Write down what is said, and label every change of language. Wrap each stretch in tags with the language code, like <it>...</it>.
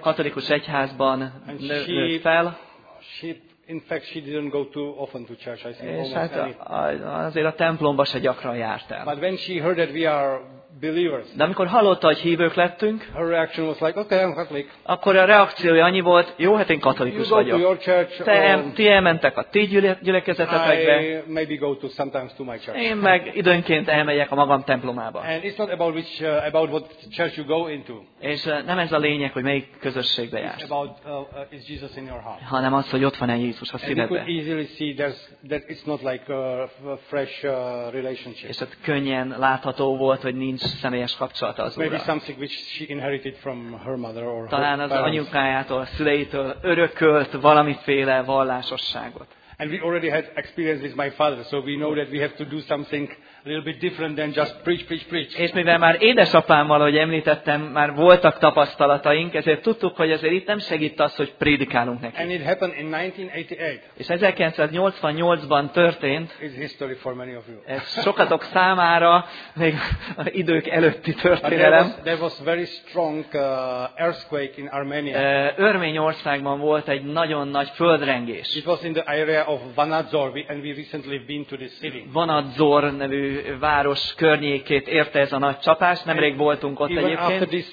<hu>Katolikus egyházban nőtt fel.</hu> <en>In fact, she didn't go too often to church. I think almost</en> <hu>hát azért a templomba se gyakran járt el.</hu> <en>But when she heard that we are believers,</en> <hu>de amikor hallotta, hogy hívők lettünk,</hu> <en>her reaction was like, okay, I'm Catholic.</en> <hu>Akkor a reakciója annyi volt, jó, hát én katolikus</hu> <en>you</en> <hu>vagyok.</hu> <en>To your church,</en> <hu>ti elmentek a ti gyülekezetetekbe.</hu> <en>I maybe go to sometimes to my church.</en> <hu>Én meg időnként elmegyek a magam templomába.</hu> <en>And it's not about which about what church you go into.</en> <hu>És nem ez a lényeg, hogy melyik közösségbe jársz.</hu> <en>It's about is Jesus in your heart.</en> <hu>Hanem az, hogy ott van-e Jézus a szívedben.</hu> <en>You could easily see that it's not like a fresh relationship.</en> <hu>És ez könnyen látható volt, hogy nincs személyes kapcsolata az</hu> <en>Maybe</en> <hu>Ura.</hu> <en>Something which she inherited from her mother or</en> <hu>talán</hu> <en>her</en> <hu>az anyukájától, a szüleitől örökölt valamiféle vallásosságot.</hu> <en>And we already had experience with my father, so we know that we have to do something a little bit different than just preach.</en> <hu>És mivel már édesapámmal, ahogy említettem, már voltak tapasztalataink, ezért tudtuk, hogy azért itt nem segít az, hogy prédikálunk neki.</hu> <en>And it happened in 1988.</en> <hu>És 1988-ban történt.</hu> <en>It's history for many of you.</en> <hu>Ez sokatok számára még idők előtti történelem.</hu> <en>There was very strong earthquake in Armenia.</en> <hu>Örményországban volt egy nagyon nagy földrengés.</hu> <en>It was in the area of Vanadzor, and we recently been to this city.</en> <hu>Vanadzor nevű város környékét érte ez a nagy csapás, nemrég voltunk ott egyébként.</hu>